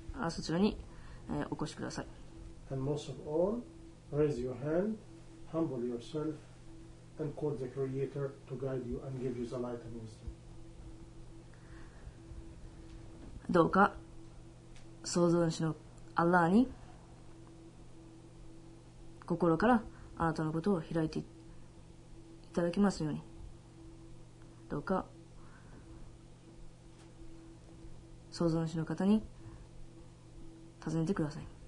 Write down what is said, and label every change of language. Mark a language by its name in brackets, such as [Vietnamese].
[Japanese] そちらに、お越しください。 [English] And most of all, raise your hand, humble yourself, and call the Creator to guide you and give you the light and wisdom. [Japanese] どうか創造主のアッラーに心からあなたのことを開いていただきますように。どうか創造主の方に尋ねてください。